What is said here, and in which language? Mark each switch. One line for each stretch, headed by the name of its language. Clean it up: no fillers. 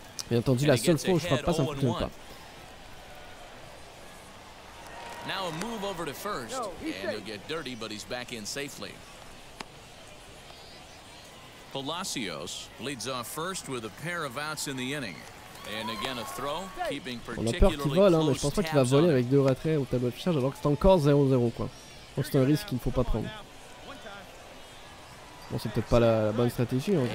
French: Bien entendu, la seule fois où je frappe pas, ça ne fonctionne pas.
English: Now a move over to first, and he'll get dirty, but he's back in safely. Palacios leads off first with a pair of outs in the inning. And again a throw, keeping particularly close tabs on
French: On a peur qu'il vole, hein, mais je pense pas qu'il va voler avec deux retraits au tableau de fichage, alors que c'est encore 0-0, quoi. Donc c'est un risque qu'il ne faut pas prendre. Bon, c'est peut-être pas la bonne stratégie.